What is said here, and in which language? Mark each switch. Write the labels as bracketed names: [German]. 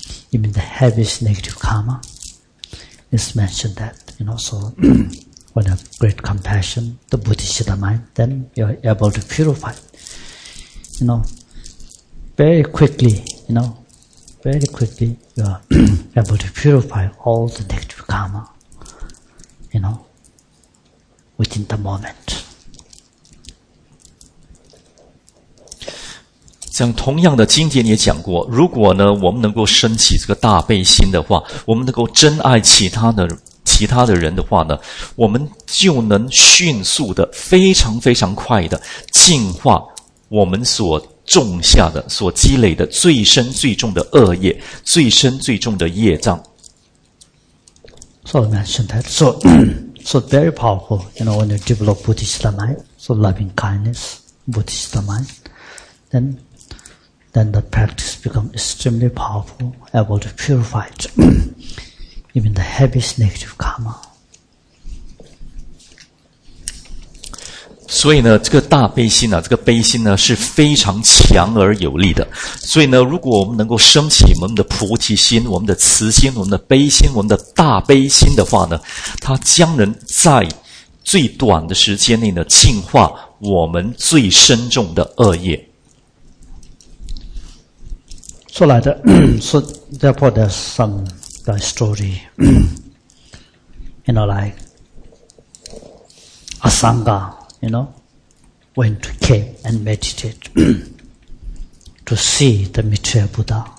[English] Even the heaviest negative karma is mentioned that, you know, so when you have great compassion, the bodhicitta mind, then you're able to purify it. You know, very quickly, you know,Very quickly, you are able to purify all the negative karma, you know, within the moment. [Chinese] 像同样的经典也讲过，如果呢我们能够升起这个大悲心的话，我们能够真爱其他的人的话呢，我们就能迅速的、非常非常快的净化我们所。种下的所积累的最深最重的恶业，最深最重的业障。 [English] So I mentioned that. So, so very powerful. You know, when you develop Buddhist mind, so loving kindness, Buddhist mind, then the practice become extremely powerful, able to purify it, even the heaviest negative karma. [Chinese] 所以呢，这个大悲心啊，这个悲心呢是非常强而有力的。所以呢，如果我们能够升起我们的菩提心、我们的慈心、我们的悲心、我们的大悲心的话呢，它将能在最短的时间内呢净化我们最深重的恶业。 [English] So like so therefore there's some the story, you know, like Asanga, you know, went to cave and meditate to see the Maitreya Buddha.